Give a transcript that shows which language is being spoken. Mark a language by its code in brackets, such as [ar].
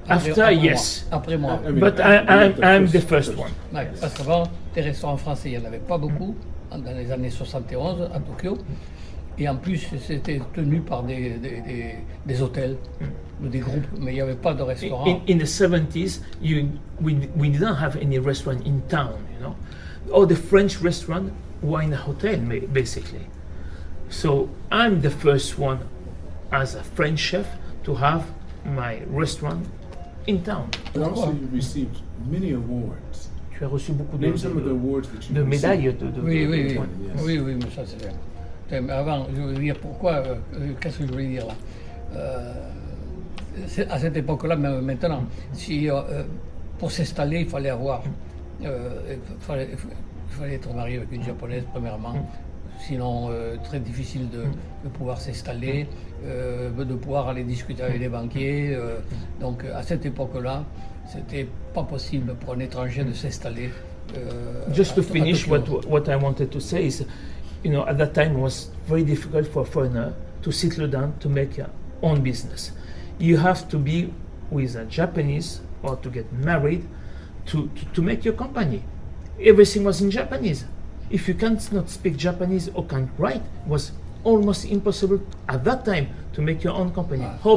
[fr] Après moi. [en] I'm the first one. Ouais, yes. [fr] Parce qu'avant, des restaurants français, il y en avait pas beaucoup dans les années 71 à Tokyo, et en plus, c'était tenu par des hôtels. Des groupes, mais il n'y avait pas de restaurant. [en] In the 70s, we didn't have any restaurant in town, you know. All the French restaurants were in a hotel, basically. So I'm the first one as a French chef to have my restaurant in town. But also you received many awards. [fr] Tu as reçu beaucoup de awards de médailles. Oui, mais ça c'est bien. Avant, je veux dire pourquoi, qu'est-ce que je voulais dire là à cette époque-là, mais maintenant, si pour s'installer, il fallait être marié avec une japonaise premièrement, sinon très difficile de pouvoir s'installer, de pouvoir aller discuter avec les banquiers. Donc à cette époque-là, c'était pas possible pour un étranger de s'installer. [en] Just to finish what I wanted to say is, you know, at that time it was very difficult for a foreigner to settle down to make your own business. You have to be with a Japanese or to get married to make your company. Everything was in Japanese. If you cannot speak Japanese or can't write, it was almost impossible at that time to make your own company. Wow.